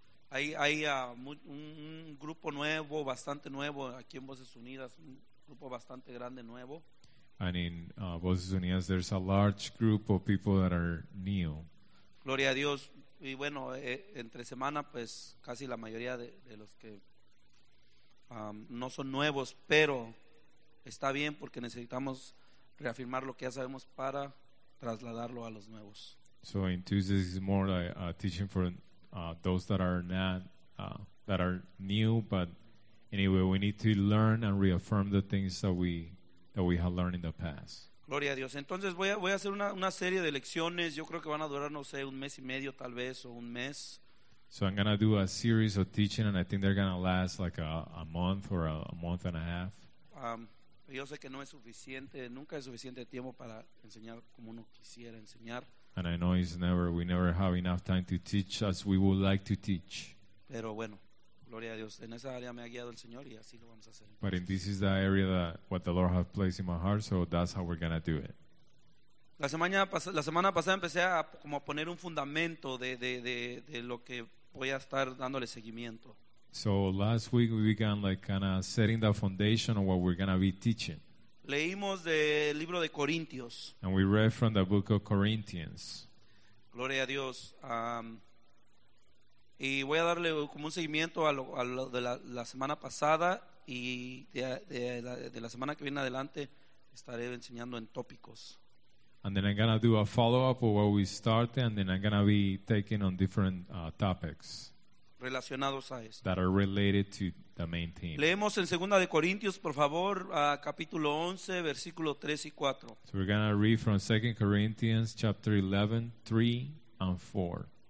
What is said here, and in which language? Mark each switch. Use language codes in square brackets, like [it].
[es] Hay un grupo nuevo, bastante nuevo, aquí en Voces Unidas, un grupo bastante grande nuevo. [en] And in Voces Unidas, there's a large group of people that are new. [es] Gloria a Dios. Y bueno, entre semana, pues, casi la mayoría de los que no son nuevos, pero está bien porque necesitamos reafirmar lo que ya sabemos para trasladarlo a los nuevos. [en] So in Tuesdays, it's more like a teaching for those that are not that are new, but anyway, we need to learn and reaffirm the things that we have learned in the past. [es] Gloria a Dios. Entonces voy a hacer una serie de lecciones. Yo creo que van a durar no sé un mes y medio, tal vez o un mes. [en] So I'm gonna do a series of teaching, and I think they're gonna last like a month or a month and a half. [es] Yo sé que no es suficiente. Nunca es suficiente tiempo para enseñar como uno quisiera enseñar. [en] And I know we never have enough time to teach as we would like to teach. [es] Pero bueno, gloria a Dios. En esa área me ha guiado el Señor y así lo vamos a hacer. [en] But in this is the area that what the Lord has placed in my heart, so that's how we're gonna do it. [es] La semana pasada empecé a como a poner un fundamento de lo que voy a estar dándole seguimiento. [en] So last week we began like kind of setting the foundation of what we're gonna be teaching. [es] Leímos del libro de Corintios. [en] And we read from the book of Corinthians. [es] Gloria a Dios. Y voy a darle como un seguimiento a lo de la semana pasada y de la semana que viene adelante estaré enseñando en tópicos. [en] And then I'm going to do a follow-up of what we started, and then I'm going to be taking on different topics [es] relacionados a esto. [en] That are related to the main theme. [es] Leemos en 2 de Corintios, por favor, capítulo 11, versículo 3 y 4. [en] So we're going to read from 2 Corinthians chapter 11, 3 and 4.